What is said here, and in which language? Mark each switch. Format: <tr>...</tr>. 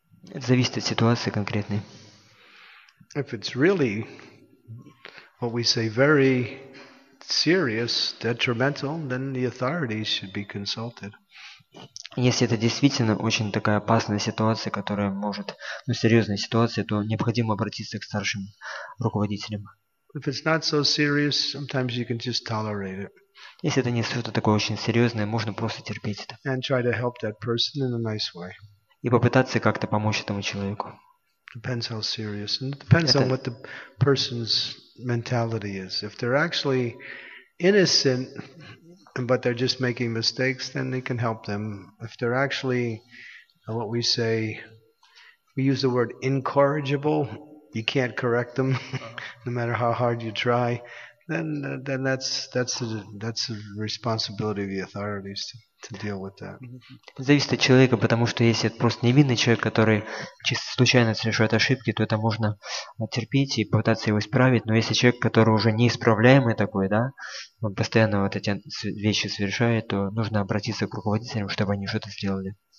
<ru>Это зависит от ситуации конкретной.</ru> <en>If it's really what we say very serious, detrimental, then the authorities should be consulted.</en> <ru>Если это действительно очень такая опасная ситуация, которая может, ну, серьезная ситуация, то необходимо обратиться к старшим руководителям.</ru> <en>If it's not so serious, sometimes you can just tolerate it.</en> <ru>Если это не что-то такое очень серьезное, можно просто терпеть это.</ru> <en>And try to help that person in a nice way.</en> <ru>И попытаться как-то помочь этому человеку.</ru> <en>Depends how serious. And it depends on what the person's mentality is. If they're actually innocent, but they're just making mistakes, then they can help them. If they're actually, what we say, we use the word incorrigible, you can't correct them, no matter how hard you try. Then that's the responsibility of the authorities to deal with that.</en> <ru>Зависит от человека, потому что если это просто невинный человек, который чисто случайно совершает ошибки, то это можно терпеть и попытаться его исправить. Но если человек, который уже неисправляемый такой, да, он постоянно вот эти вещи совершает, то нужно обратиться к руководителям, чтобы они что-то сделали.</ru>